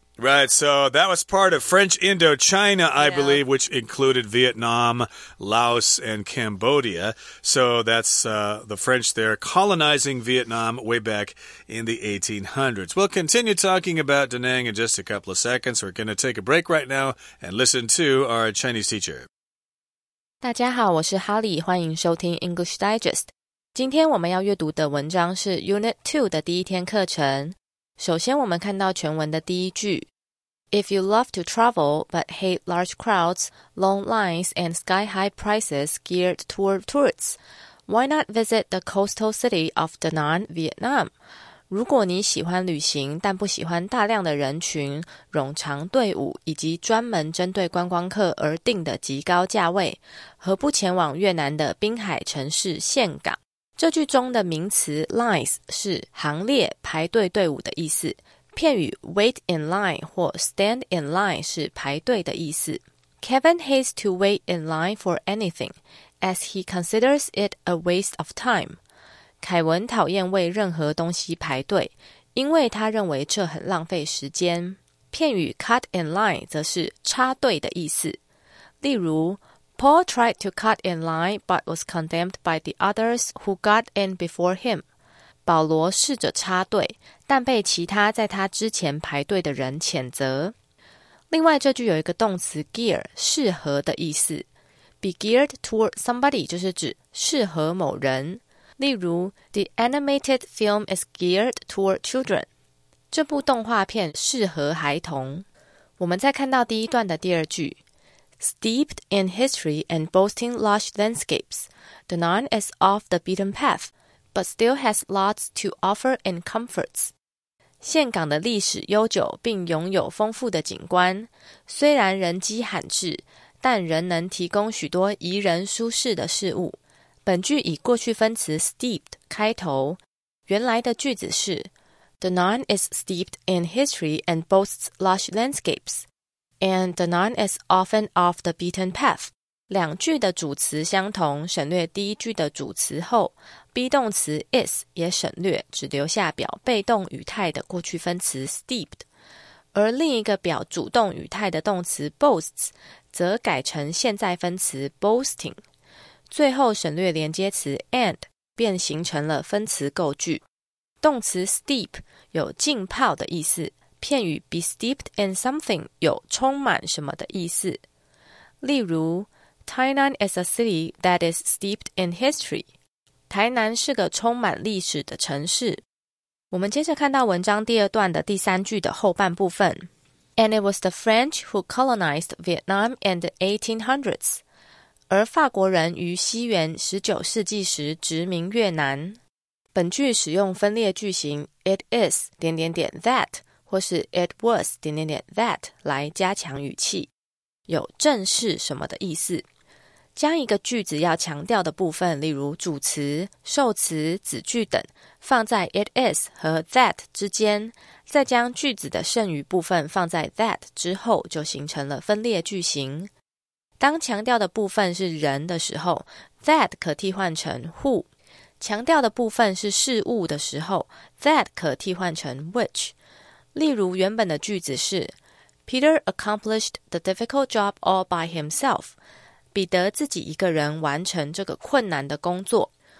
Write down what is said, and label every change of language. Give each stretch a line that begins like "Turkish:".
English: Right, so that was part of French Indochina, I believe, which included Vietnam, Laos, and Cambodia. So that's the French there colonizing Vietnam way back in the 1800s. We'll continue talking about Da Nang in just a couple of seconds. We're going to take a break right now and listen to our Chinese teacher.
Chinese: 大家好，我是哈利，欢迎收听 English Digest. 今天我们要阅读的文章是 Unit 2的第一天课程。首先我们看到全文的第一句
English: If you love to travel but hate large crowds, long lines and sky-high prices geared toward tourists, why not visit the coastal city of Da Nang, Vietnam?
Chinese: 如果你喜欢旅行但不喜欢大量的人群、冗长队伍以及专门针对观光客而定的极高价位，何不前往越南的滨海城市岘港？这句中的名词 lines 是行列、排队队伍的意思。片语 wait in line 或 stand in line 是排队的意思。
English: Kevin hates to wait in line for anything, as he considers it a waste of time.
Chinese: 凯文讨厌为任何东西排队，因为他认为这很浪费时间。片语 cut in line 则是插队的意思。
English: 例如Paul tried to cut in line, but was condemned by the others who got in before him.
Chinese: 保罗试着插队，但被其他在他之前排队的人谴责。另外，这句有一个动词 gear, 适合的意思。
English: Be geared toward somebody
Chinese: 就是指适合某人。
English: 例如 ,The animated film is geared toward children.
Chinese: 这部动画片适合孩童。我们再看到第一段的第二句。
English: Steeped in history and boasting lush landscapes, Da Nang is off the beaten path, but still has lots to offer in comforts.
Chinese: 岘港的历史悠久并拥有丰富的景观，虽然人迹罕至，但仍能提供许多宜人舒适的事物。本句以过去分词
English: steeped
Chinese: 开头，原来的句子是
English: Da Nang is steeped in history and boasts lush landscapes.And Da Nang is often off the beaten path.
Chinese: 两句的主词相同，省略第一句的主词后， be 动词 is 也省略，只留下表被动语态的过去分词 steeped， 而另一个表主动语态的动词 boasts 则改成现在分词 boasting， 最后省略连接词 and 便形成了分词构句。动词 steep 有浸泡的意思，片语 be steeped in something 有充满什么的意思。
English: 例如Tainan is a city that is steeped in history.
Chinese: 台南是个充满历史的城市。我们接着看到文章第二段的第三句的后半部分。
English: And it was the French who colonized Vietnam in the 1800s.
Chinese: 而法国人于西元19世纪时殖民越南。本句使用分列句型 it is 点点点 that 或是 it was 点点点 that 来加强语气。有正是什么的意思，将一个句子要强调的部分，例如主词、受词、子句等，放在 it is 和 that 之间，再将句子的剩余部分放在 that 之后，就形成了分列句型。当强调的部分是人的时候， that 可替换成 who， 强调的部分是事物的时候， that 可替换成 which。例如原本的句子是
English: Peter accomplished the difficult job all by himself.
Chinese: 彼得自己一个人完成这个困难的工作。